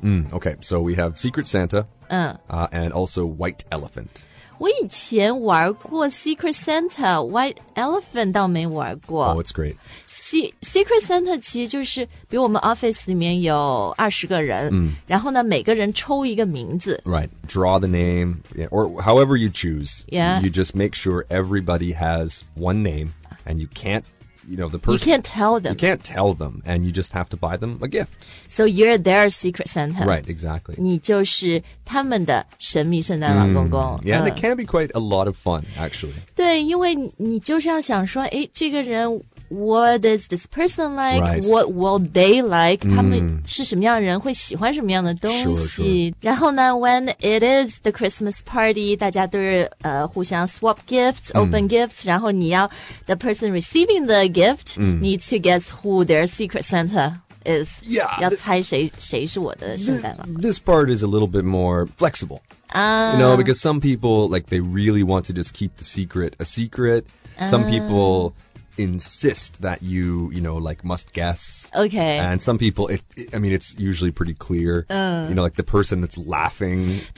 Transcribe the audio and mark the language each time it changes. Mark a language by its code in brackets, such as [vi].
[en] 嗯 OK So we have Secret Santa、And also White Elephant [zh] 我以前玩过 Secret Santa White Elephant 倒没玩过 [en] Oh it's great [zh] Secret Santa 其实就是比如我们 office 里面有20个人、 mm. 然后呢每个人抽一个名字 [en] Right, draw the name yeah, Or however you choose Yeah. You just make sure everybody has one name And you can't, you know, the person You can't tell them You can't tell them And you just have to buy them a gift So you're their Secret Santa Right, exactly [zh] 你就是他们的神秘圣诞老公公、 [en] mm. Yeah, and it can be quite a lot of fun, actually [zh] 对因为你就是要想说诶这个人 [en] What is this person like?、 Right. What will they like?、 [zh] Mm. 他们是什么样的人会喜欢什么样的东西 [en] sure, sure. [zh] 然后呢 [en] when it is the Christmas party, [zh] 大家都是、互相 [en] swap gifts,、mm. open gifts, [zh] 然后你要 [en] the person receiving the gift、 mm. needs to guess who their secret Santa is. Yeah. [zh] 要猜谁谁是我的圣诞老公。 [en] This part is a little bit more flexible. Ah. You know, because some people, like, they really want to just keep the secret a secret. Some people... insist that you, you know, like, must guess. Okay. And some people, I mean, it's usually pretty clear. You know, like, the person that's laughing.